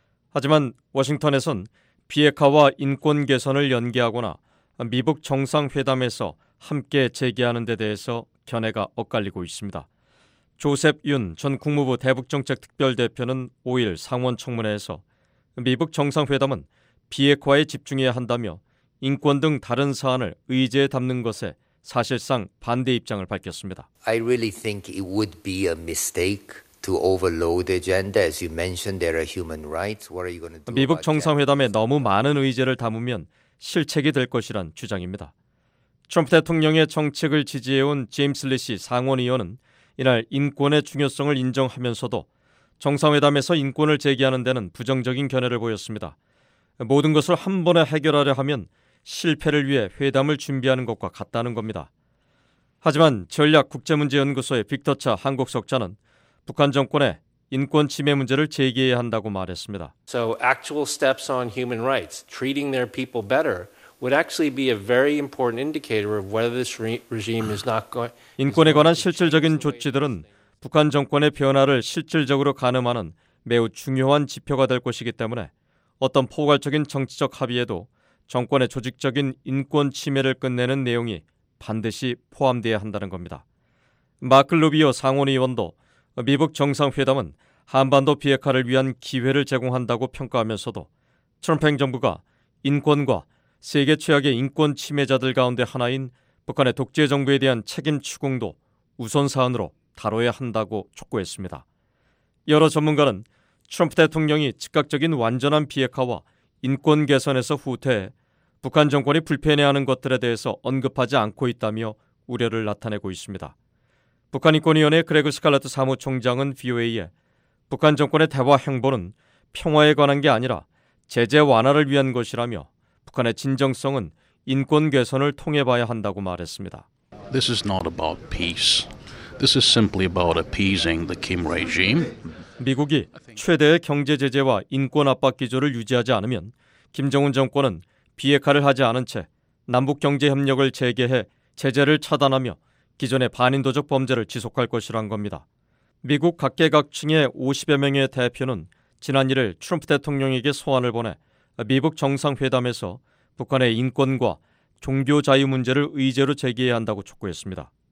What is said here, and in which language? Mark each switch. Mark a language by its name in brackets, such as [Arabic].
[Korean] 하지만 워싱턴에선 비핵화와 인권 개선을 연계하거나 미북 정상회담에서 함께 제기하는 데 대해서 견해가 엇갈리고 있습니다. 조셉 윤 전 국무부 대북정책특별대표는 5일 상원청문회에서 미북 정상회담은 비핵화에 집중해야 한다며 인권 등 다른 사안을 의제에 담는 것에 사실상 반대 입장을 밝혔습니다. [English] I really think it would be a mistake to overload the agenda as you mentioned there are human rights. What are you going to do? [Korean] 미북 정상회담에 너무 많은 의제를 담으면 실책이 될 것이란 주장입니다. 트럼프 대통령의 정책을 지지해 온 제임스 리시 상원 의원은 이날 인권의 중요성을 인정하면서도 정상회담에서 인권을 제기하는 데는 부정적인 견해를 보였습니다. 모든 것을 한 번에 해결하려 하면 실패를 위해 회담을 준비하는 것과 같다는 겁니다. 하지만 전략국제문제연구소의 빅터 차 한국 석좌는 북한 정권의 인권 침해 문제를 제기해야 한다고 말했습니다. So actual steps on human rights, treating their people better would actually be a very important indicator of whether this regime is not going. 인권에 관한 실질적인 조치들은 북한 정권의 변화를 실질적으로 가늠하는 매우 중요한 지표가 될 것이기 때문에 어떤 포괄적인 정치적 합의에도 정권의 조직적인 인권 침해를 끝내는 내용이 반드시 포함되어야 한다는 겁니다. 마크 루비오 상원의원도 미북 정상회담은 한반도 비핵화를 위한 기회를 제공한다고 평가하면서도 트럼프 행정부가 인권과 세계 최악의 인권 침해자들 가운데 하나인 북한의 독재 정부에 대한 책임 추궁도 우선 사안으로 다뤄야 한다고 촉구했습니다. 여러 전문가는 트럼프 대통령이 즉각적인 완전한 비핵화와 인권 개선에서 후퇴해 북한 정권이 불편해하는 것들에 대해서 언급하지 않고 있다며 우려를 나타내고 있습니다. 북한인권위원회 그레그 스칼라트 사무총장은 VOA에 북한 정권의 대화 행보는 평화에 관한 게 아니라 제재 완화를 위한 것이라며 북한의 진정성은 인권 개선을 통해 봐야 한다고 말했습니다. [English] This is not about peace. This is simply about appeasing the Kim regime. [Korean] 미국이 최대의 경제 제재와 인권 압박 기조를 유지하지 않으면 김정은 정권은 비핵화를 하지 않은 채 남북 경제 협력을 재개해 제재를 차단하며 기존의 반인도적 범죄를 지속할 것이란 겁니다. 미국 각계각층의 50여 명의 대표는 지난 1일 트럼프 대통령에게 소환을 보내 미북 정상회담에서 북한의 인권과 종교 자유 문제를 의제로 제기해야 한다고 촉구했습니다.